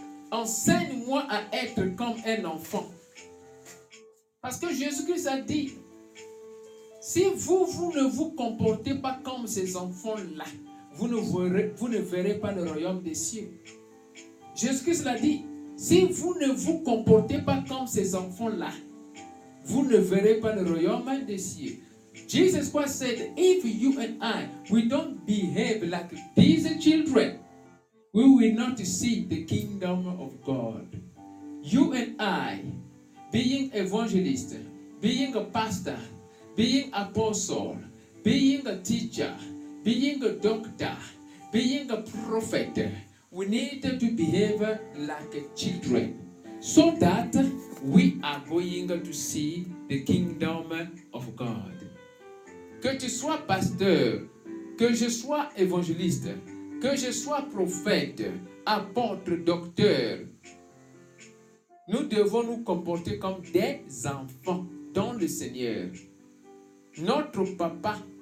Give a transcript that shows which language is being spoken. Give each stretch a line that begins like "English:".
French: Enseigne-moi à être comme un enfant. Parce que Jésus-Christ a dit, si vous, vous ne vous comportez pas comme ces enfants-là, vous ne verrez pas le royaume des cieux. Jésus-Christ l'a dit, si vous ne vous comportez pas comme ces enfants-là, vous ne verrez pas le royaume des cieux.
English: Jesus Christ said, if you and I, we don't behave like these children, we will not see the kingdom of God. You and I, being evangelist, being a pastor, being apostle, being a teacher, being a doctor, being a prophet, we need to behave like children, so that we are going to see the kingdom of God.
French: Que tu sois pasteur, que je sois évangéliste, que je sois prophète, apôtre, docteur, nous devons nous comporter comme des enfants dans le Seigneur. Notre papa